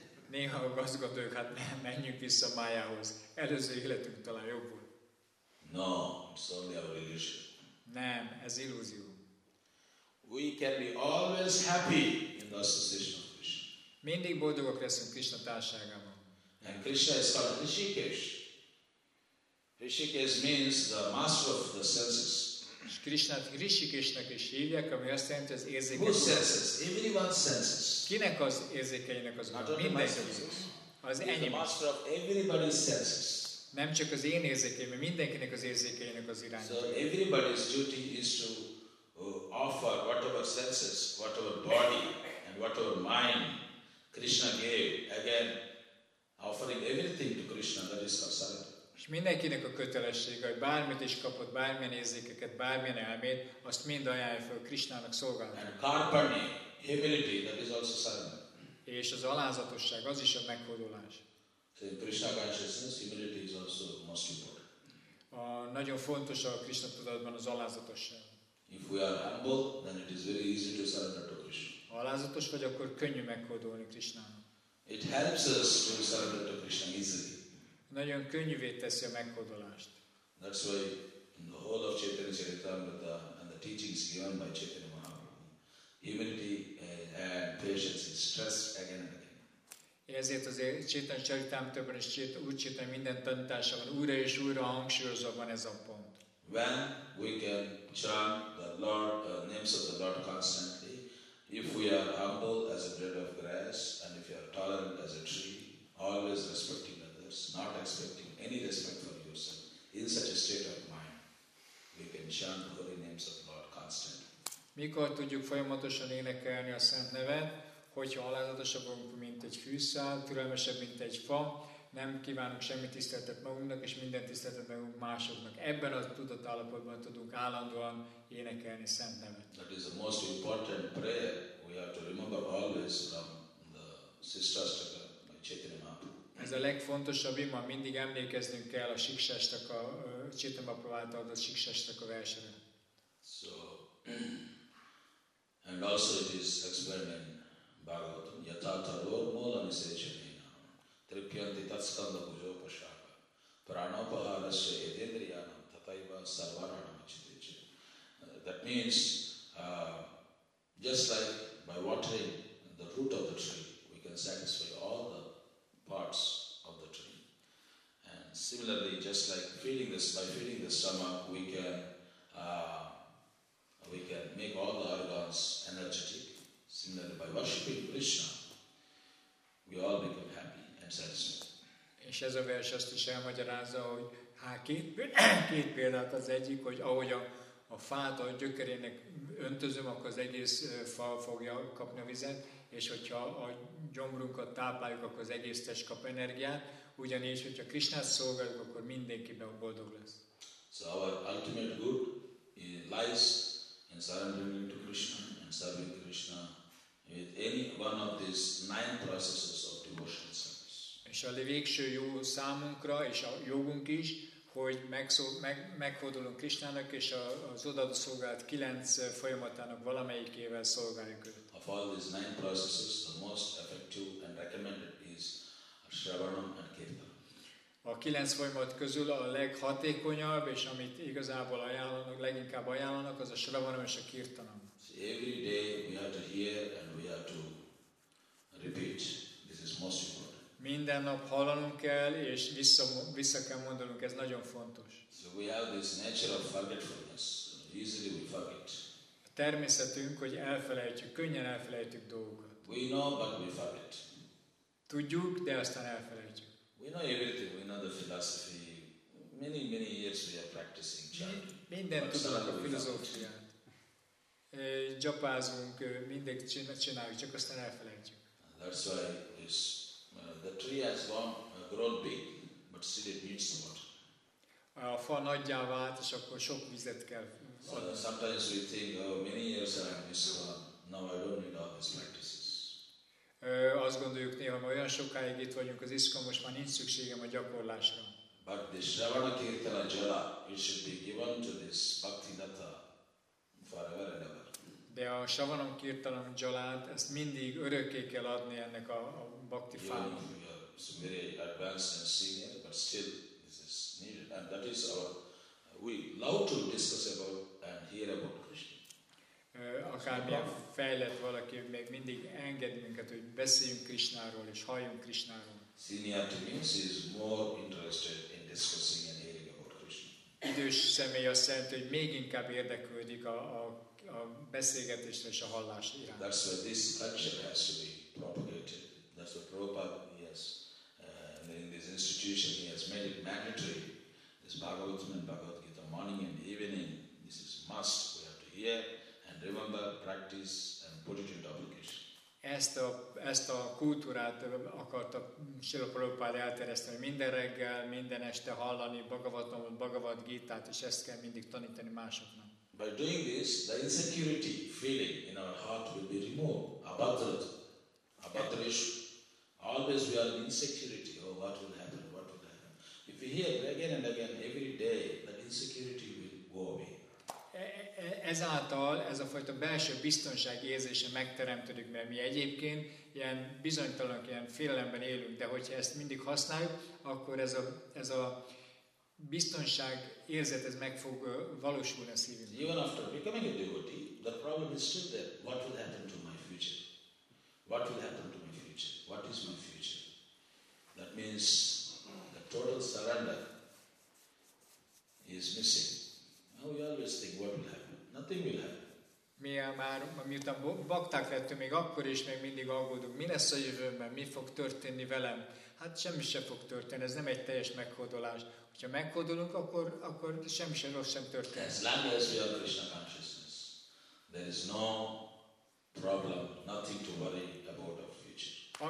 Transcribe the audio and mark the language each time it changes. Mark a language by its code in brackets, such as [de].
[hu] Néha a gazgatók, hát menjünk vissza Mayához. Előző életünk talán jobb volt. [en] No, it's only our illusion. [hu] Nem, ez illúzió. [en] We can be always happy in the association of Krishna. [hu] Mindig boldogok leszünk Krishna társaságában. [en] And Krishna is called Hrishikesh. Hrishikesh means the master of the senses. [hu] És Krishnát Hrishikeshnek is hívják, ami azt jelenti, az érzékeny. [en] Whose senses? Everyone's senses. [hu] Kinek az érzékenynek az? Mindenki. Az enyém. [en] The master of everybody's senses. [hu] Nem csak az én érzékeim, mindenkinek az érzékeinek az irányt. [en] So everybody's duty is to offer whatever senses, whatever body and whatever mind Krishna gave. Again, offering everything to Krishna, that is sarvasarva. [hu] És mindenkinek a kötelessége, hogy bármit is kapott, bármilyen érzékeket, bármilyen elmét, azt mind ajánlja fel Krishnának szolgálni. [en] And karpani, humility, that is also sarvasarva. [hu] És az alázatosság, az is a meghódolás. [en] So in Krishna consciousness, humility is also most important. [hu] Nagyon fontos a Krishna tudatban az alázatosság. [en] If we are humble, then it is very easy to surrender to Krishna. [hu] Ha alázatos vagy, akkor könnyű meghódolni Krishnának. [en] It helps us to surrender to Krishna easily. [hu] Nagyon könnyűvé teszi a meghódolást. [en] That's why in the whole of Chaitanya Charitamrita and the teachings given by Chaitanya Mahaprabhu, humility and patience is stressed again and again. [hu] Ezért azért Chaitanya Charitamritában is úgy Chaitanya minden tanításában újra és újra hangsúlyozva van ez a pont. [en] When we can chant the Lord, names of the Lord constantly, if we are humble as a blade of grass, and if we are tolerant as a tree, always respecting others, not expecting any respect for yourself, in such a state of mind, we can chant the holy names of the Lord constantly. [hu] Mikor tudjuk folyamatosan énekelni a Szent Nevet? Hogyha alázatosabbunk, mint egy fűszál, türelmesebb, mint egy fa, nem kívánunk semmi tiszteletet magunknak, és minden tiszteletet magunk másoknak. Ebben a tudatállapotban tudunk állandóan énekelni Szent Nevet. [en] That is the most important prayer we have to remember always from the Sikshastaka by Chaitanya Mahaprabhu. [hu] Ez a legfontosabb ima, mindig emlékeznünk kell a Sikshastaka, Chaitanya Mahaprabhu által adott Sikshastaka versre. [en] So, and also it is experimenting. [sa] Bhagavatam, yatātarvor mūlam isechaninam, trippyanti tatskanda bujopashaka, pranapaharasya edendriyanam, tataiva sarvaranam achitecha. [en] That means, just like by watering the root of the tree, we can satisfy all the parts of the tree. And similarly, just like feeling this, by feeling the stomach, we can make all the organs energetic. Similarly, by worshiping Krishna, we all become happy and satisfied. [hu] És ez a vers azt is elmagyarázza, hogy hát két példát, az egyik, hogy ahogy a fát a gyökerének öntözöm, akkor az egész fa fogja kapni a vizet, és hogyha a gyomrunkat tápáljuk, akkor az egész test kap energiát, ugyanis, hogyha Krishnát szolgáljuk, akkor mindenkiben boldog lesz. [en] So our ultimate good lies in surrendering to Krishna. Serving Krishna with any one of these 9 processes of devotional service. [hu] És a végső jó számunkra és a jogunk is, hogy meghódolunk Krishnának és az odaadó szolgálat 9 folyamatának valamelyikével szolgáljuk őt. [en] Of all these 9 processes, the most effective and recommended is Shravanam and Kirtan. [hu] A 9 folyamat közül a leghatékonyabb, és amit igazából ajánlanak, leginkább ajánlanak, az a Shravanam és a Kirtanam. [en] Every day we have to hear and we have to repeat. This is most important. [hu] Minden nap hallanunk kell és vissza kell mondanunk, ez nagyon fontos. [en] So we have this nature of forgetfulness. We easily we forget. [hu] A természetünk, hogy elfelejtjük, könnyen elfelejtjük dolgokat. [en] We know, but we forget. [hu] Tudjuk, de aztán elfelejtjük. [en] We know everything. We know the philosophy. Many, many years we are practicing chanting. [hu] Minden tudunk a filozófiát. Gyapázunk, mindig csináljuk, csak aztán elfelejtjük. [en] And that's why this, the tree has grown big, but still it needs water. [hu] A fa nagyjá vált, és akkor sok vizet kell. [en] Sometimes we think, oh, many years I missed one. Now I don't need all these practices. [hu] Azt gondoljuk néha, hogy olyan sokáig itt vagyunk az ISKCON, most már nincs szükségem a gyakorlásra. [en] But the Shravana Kirtana Jala, it should be given to this Bhakti Nata forever and ever. [hu] De a Shravana Kirtana Jalát, ezt mindig örökké kell adni ennek a Bhakti fának. [en] Even if we are very advanced and senior, but still this is needed. And that is our, we love to discuss about and hear about Krishna. [hu] Akármilyen fejlett valaki, még mindig enged minket, hogy beszéljünk Krishnáról és halljunk Krishnáról. [en] Seniority means he is more interested in discussing and hearing about Krishna. [hu] Idős személy azt jelenti, hogy még inkább érdeklődik a beszélgetésre és a hallás iránt. [en] That's why this culture has to be propagated. That's why Prabhupada, yes, in this institution he has made it mandatory. This Bhagavatam and Bhagavad Gita morning and evening, this is must, we have to hear. And remember, practice and put it into application. [hu] Ezt a kultúrát akarta Srila Prabhupada elterjeszteni, minden reggel, minden este hallani Bhagavatamot, Bhagavad Gítát, és ezt kell mindig tanítani másoknak. [en] By doing this, the insecurity feeling in our heart will be removed. Abhadrishu. Always we are in insecurity. Oh, what will happen? What will happen? If we hear again and again every day, the insecurity will go away. [hu] Ezáltal ez a fajta belső biztonság érzése megteremtődik, mert mi egyébként ilyen bizonytalan, ilyen félelemben élünk, de hogyha ezt mindig használjuk, akkor ez a biztonság érzet ez meg fog valósulni a szívünkben. [en] Even after becoming a devotee, the problem is still there. What will happen to my future? What will happen to my future? What is my future? That means the total surrender is missing. We always think what will happen. Nothing will happen. [hu] Mi már, miután bakták lettünk, még akkor is még mindig aggódunk. Mi lesz a jövőben? Mi fog történni velem? Hát semmi sem fog történni. Ez nem egy teljes meghódolás. Hogyha meghódolunk, akkor semmi sem rossz sem történik. [en] As long as we are Krishna consciousness, there is no problem, nothing to worry about our future.